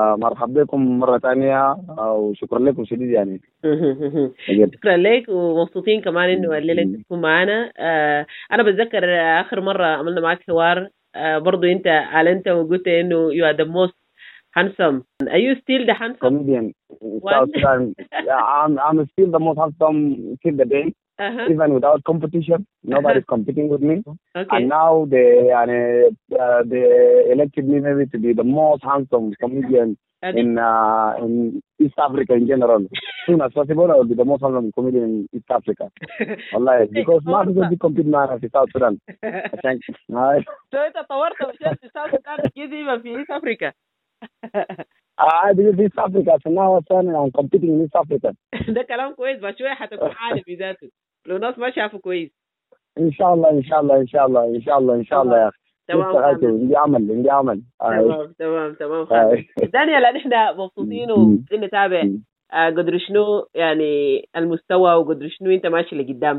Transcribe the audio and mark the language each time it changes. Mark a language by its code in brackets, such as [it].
[ar] مرحبا بكم مرة تانية وشكرا لكم شديد يعني. شكرا لك، ومبسوطين كمان إنه الليلة تكون معنا. أنا بتذكر آخر مرة عملنا معك حوار برضو أنت أعلنت وقلت إنه [en] you are the most handsome. Are you still the handsome comedian? I'm still the most handsome till the day. Uh-huh. Even without competition, nobody is competing with me. Okay. And now they elected me maybe to be the most handsome comedian in East Africa in general. Soon as possible, I will be the most handsome comedian in East Africa. Allah, because Mark will be competing with me in South Sudan. Thank you. So you're going to be in South Sudan, in East Africa? I believe in East Africa. So now I'm competing in East Africa. [ar] ده كلام كويس، بس شوية حتكون عالم بذاته لو الناس ما شافوا كويس. إن شاء الله إن شاء الله إن شاء الله إن شاء الله إن شاء الله يا أخي. تمام. إن دي عمل. تمام. دانيال، إحنا مبسوطين ونتابع قدر شنو يعني المستوى وقدر شنو أنت ماشي لقدام.